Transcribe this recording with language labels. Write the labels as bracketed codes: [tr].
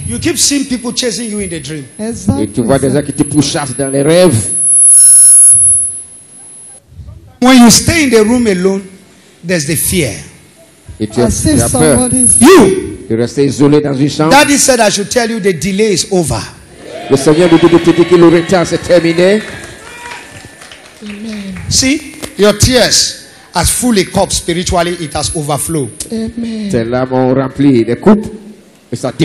[en] You keep seeing people chasing you in the dream. Exactly. When you stay in the room alone, there's the fear. You. Daddy said I should tell you the delay is over. [fr] Le Seigneur dit que le retard c'est terminé. [en] Amen. See, your tears has fully cup spiritually, it has overflowed. Amen. [fr] Tes larmes ont rempli les coupes et ça t'est